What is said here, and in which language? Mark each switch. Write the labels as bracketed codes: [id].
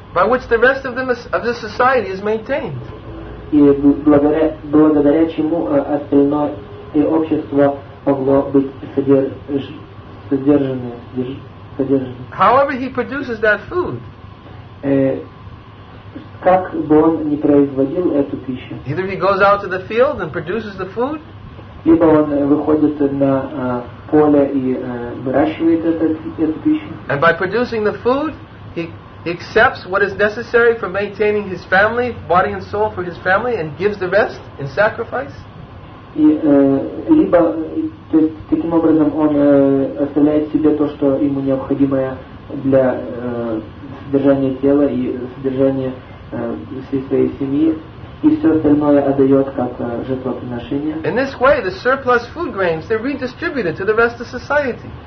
[en] By which the rest of the society is maintained. [ru] И благодаря чему остальное и общество могло быть содержано. [en] However he produces that food. [ru] Как бы он ни производил эту пищу. [en] Either he goes out to the field and produces the food. [ru] Либо он выходит на поле и выращивает эту пищу. [en] And by producing the food, He accepts what is necessary for maintaining his family, body and soul for his family, and gives the rest in sacrifice. [ru] Либо, то есть таким образом он оставляет себе то, что ему необходимое для содержания тела и содержания всей своей семьи, и все остальное отдает как жертвоприношение. [en] In this way, the surplus food grains they're redistributed to the rest of society.